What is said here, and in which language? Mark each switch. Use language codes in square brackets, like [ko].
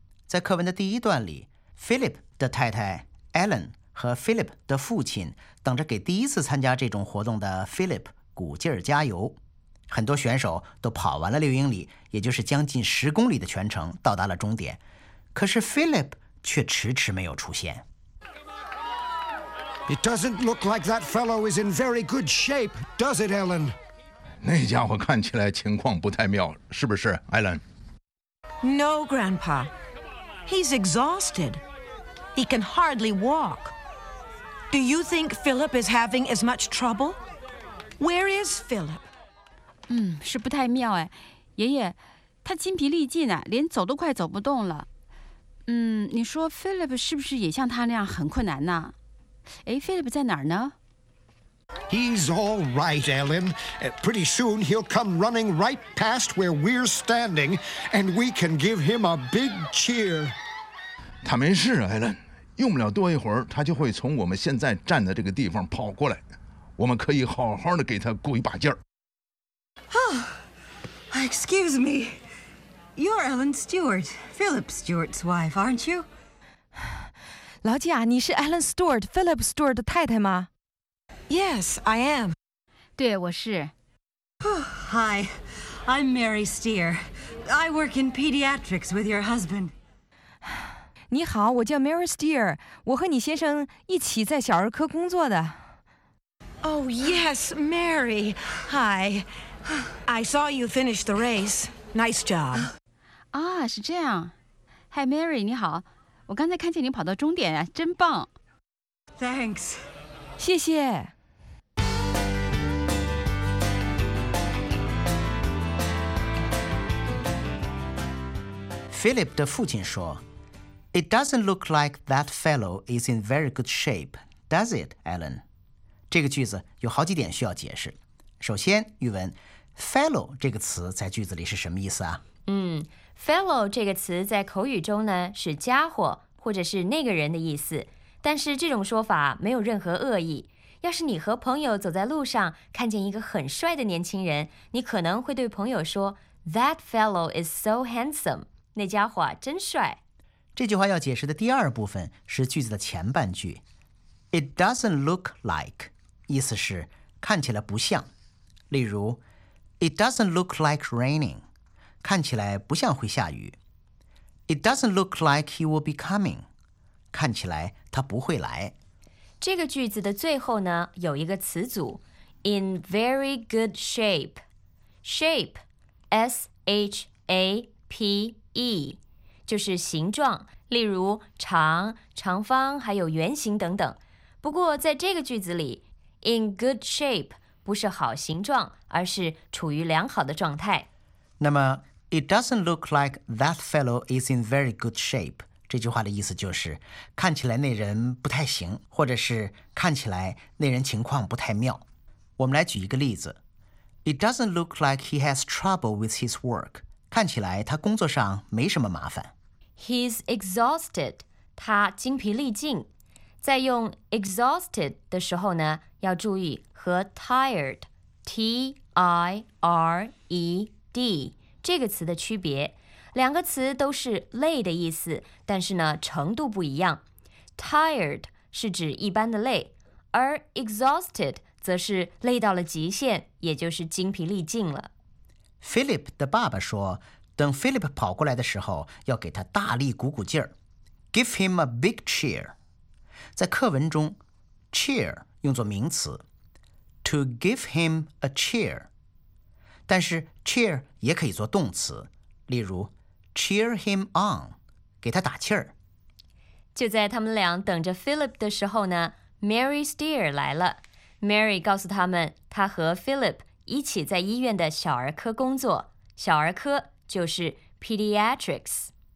[zh] 在课文的第一段里， Philip 的太太 Ellen 和 Philip 的父亲等着给第一次参加这种活动的 Philip 鼓劲儿加油。很多选手都跑完了6英里，也就是将近10公里的全程，到达了终点。可是 Philip 却迟迟没有出现。 [en] It doesn't look like that fellow is in very good shape, does it, Ellen? 那家伙看起来情况不太妙，是不是，艾伦？No, Grandpa. He's exhausted. He can hardly walk. Do you think Philip is having as much trouble? Where is Philip? [zh] 嗯，是不太妙哎，爷爷，他筋疲力尽啊，连走都快走不动了。嗯，你说 Philip 是不是也像他那样很困难呢？哎 ，Philip 在哪儿呢？ [en] He's all right, Ellen. Pretty soon he'll come running right past where we're standing, and we can give him a big cheer. [zh] 他没事啊 ，Ellen. 用不了多一会儿，他就会从我们现在站的这个地方跑过来。我们可以好好的给他鼓一把劲儿。 [en] Oh, excuse me. You're Ellen Stewart, Philip Stewart's wife, aren't you? [zh] 老贾，你是 Ellen Stewart, Philip Stewart 的太太吗？ [en] Yes, I am. [zh] 对，我是。 [en] Hi, I'm Mary Steer. I work in pediatrics with your husband. [zh] 你好，我叫 Mary Steer. 我和你先生一起在小儿科工作的。 [en] Oh, yes, Mary. Hi. I saw you finish the race. Nice job. [zh] 啊，是这样。Hi, Mary, 你好。我刚才看见你跑到终点啊，真棒。 [en] Thanks. [zh] 谢谢。 [en] Philip [zh] 的父亲说 [en] It doesn't look like that fellow is in very good shape, does it, Ellen? [zh] 这个句子有好几点需要解释。首先，语文 fellow 这个词在句子里是什么意思啊？ fellow 这个词在口语中呢，是家伙或者是那个人的意思。但是这种说法没有任何恶意。要是你和朋友走在路上，看见一个很帅的年轻人，你可能会对朋友说 [en] That fellow is so handsome. [zh] 那家伙真帅。这句话要解释的第二部分是句子的前半句。 [en] It doesn't look like, [zh] 意思是看起来不像。例如 , [en] It doesn't look like raining, [zh] 看起来不像会下雨。 [en] It doesn't look like he will be coming, [zh] 看起来他不会来。这个句子的最后呢有一个词组 , [en] in very good shape, [zh] shape, S-H-A-P-E, 就是形状，例如长、长方还有圆形等等。不过在这个句子里 , [en] in good shape [zh] 不是好形状，而是处于良好的状态。那么 , [en] it doesn't look like that fellow is in very good shape, [zh] 这句话的意思就是看起来那人不太行，或者是看起来那人情况不太妙。我们来举一个例子。 [en] It doesn't look like he has trouble with his work. [zh] 看起来他工作上没什么麻烦。 [en] He's exhausted, [zh] 他精疲力尽。在用 exhausted 的时候呢，要注意和 tired, T-I-R-E-D, 这个词的区别。两个词都是累的意思，但是呢，程度不一样。 Tired 是指一般的累，而 exhausted 则是累到了极限，也就是精疲力尽了。 Philip 的爸爸说，等 Philip 跑过来的时候，要给他大力鼓鼓劲儿 ， [en] give him a big cheer。 [zh] 在课文中 ，cheer 用作名词 ， [en] to give him a cheer。 [zh] 但是 cheer 也可以做动词，例如 [en] cheer him on， [zh] 给他打气儿。就在他们俩等着 Philip 的时候呢 ，Mary Steer 来了。 Mary 告诉他们，她和 Philip。一起在医院的小儿科工作，小儿科就是 pediatrics。